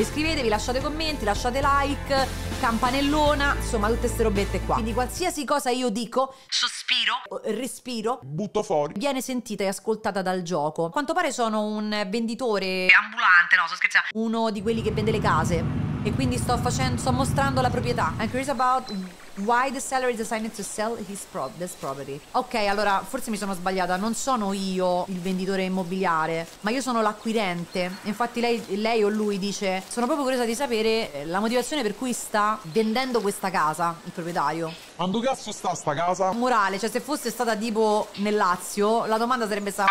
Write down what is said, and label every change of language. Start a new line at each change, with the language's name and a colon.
Italian: Iscrivetevi, lasciate commenti, lasciate like, campanellona, insomma tutte ste robette qua. Quindi qualsiasi cosa io dico, sospiro, respiro, butto fuori, viene sentita e ascoltata dal gioco. A quanto pare sono un venditore ambulante, no, sto scherzando, uno di quelli che vende le case, e quindi sto mostrando la proprietà.
English: I'm curious about why the seller is assigned to sell this property.
Italian: Ok, allora forse mi sono sbagliata, non sono io il venditore immobiliare, ma io sono l'acquirente. Infatti lei o lui dice: sono proprio curiosa di sapere la motivazione per cui sta vendendo questa casa il proprietario. Ma dove cazzo sta sta casa? Morale, cioè se fosse stata tipo nel Lazio, la domanda sarebbe stata: